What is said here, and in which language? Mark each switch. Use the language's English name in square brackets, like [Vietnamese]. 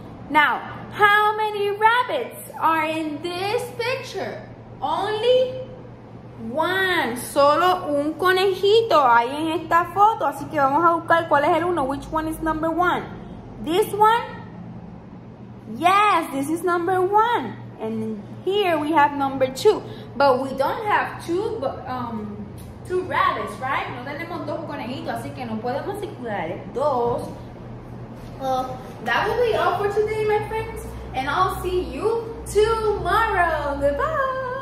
[English] Now, how many rabbits are in this picture? Only 1. [Spanish] Solo un conejito hay en esta foto, así que vamos a buscar cuál es el uno. [English] Which one is number 1? This one? Yes, this is number 1. And here we have number 2. But we don't have two rabbits, right? [Spanish] No tenemos dos conejitos, así que no podemos circular dos. [English] Well, that will be all for today, my friends. And I'll see you tomorrow. Goodbye.